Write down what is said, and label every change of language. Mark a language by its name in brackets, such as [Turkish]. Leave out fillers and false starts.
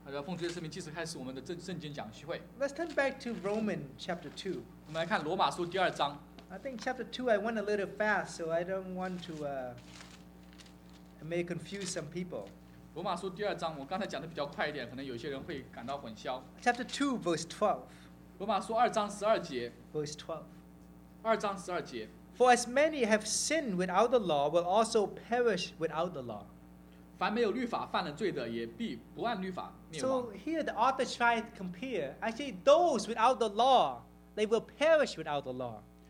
[Chinese] 奉主耶稣名继续开始我们的圣经讲习会。 [English] Let's turn back to Romans chapter 2. [Chinese] 我们来看罗马书第二章。 [English] I think chapter 2, I went a little fast, so I don't want to may confuse some people. [Chinese] 罗马书第二章，我刚才讲的比较快一点， 可能有些人会感到混淆。 [English] Chapter 2, verse 12. [Chinese] 罗马书二章十二节。 [English] Verse 12. [Chinese] 二章十二节。 [English] For as many have sinned without the law will also perish without the law. [Chinese] 凡没有律法犯了罪的也必不按律法灭亡。 [English] So here the author tried to compare. Actually, those without the law, they will perish without the law.